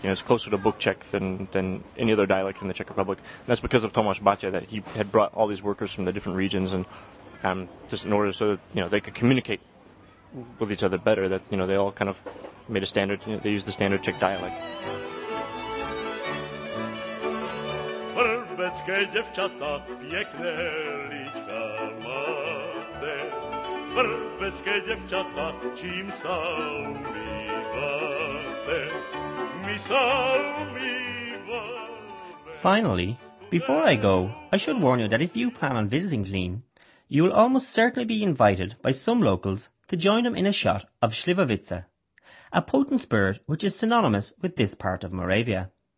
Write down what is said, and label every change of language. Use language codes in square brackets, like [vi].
[en] You know, it's closer to Book Czech than any other dialect in the Czech Republic. And that's because of Tomáš Bača, that he had brought all these workers from the different regions, and just in order so that, you know, they could communicate with each other better, that, you know, they all kind of made a standard, you know, they used the standard Czech dialect. [cs] Vrbecké děvčata, pěkné líčka máte. Vrbecké děvčata, čím se umýváte? My se umýváme. [en] Finally, before I go, I should warn you that if you plan on visiting Zlín, you will almost certainly be invited by some locals to join them in a shot of Slivovica, a potent spirit which is synonymous with this part of Moravia.